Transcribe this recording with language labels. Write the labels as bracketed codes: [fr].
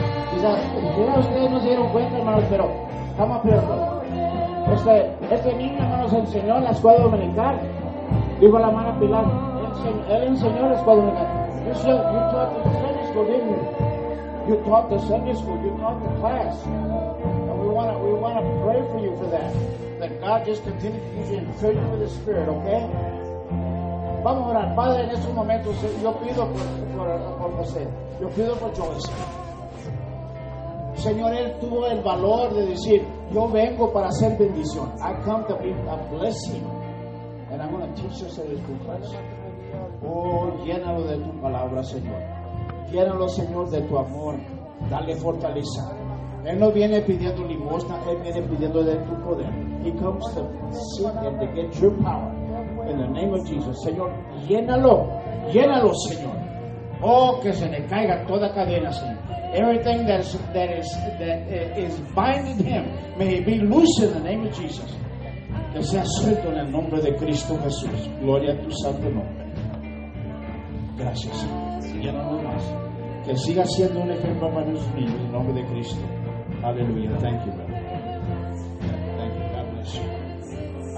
[es] Quizás ustedes no se dieron cuenta, hermanos, pero estamos abiertos. Este niño, hermanos, enseñó en la escuela dominical. Dijo la hermana Pilar, él enseñó la escuela dominical. [en] You taught the Sunday school, didn't you? You taught the Sunday school, you taught the class. And we want to pray for you for that. That God just continue to use you and fill you with the Spirit, okay? [es] Vamos a orar. Padre, en estos momentos, yo pido por José. Yo pido por Joyce. Señor, él tuvo el valor de decir, yo vengo para hacer bendición. [en] I come to be a blessing. And I'm going to teach you some good things. [es] Oh, llénalo de tu palabra, Señor. Llénalo, Señor, de tu amor. Dale fortaleza. Él no viene pidiendo limosna, él viene pidiendo de tu poder. [en] He comes to seek and to get your power. In the name of Jesus. [es] Señor, llénalo. Llénalo, Señor. Oh, que se le caiga toda cadena, Señor. [en] Everything that is binding him, may he be loose in the name of Jesus. [es] Que sea suelto en el nombre de Cristo Jesús. Gloria a tu santo nombre. Gracias. Y nada más. Que siga siendo un ejemplo para los niños en el nombre de Cristo. Aleluya. [en] Thank you, brother. Thank you. God bless you.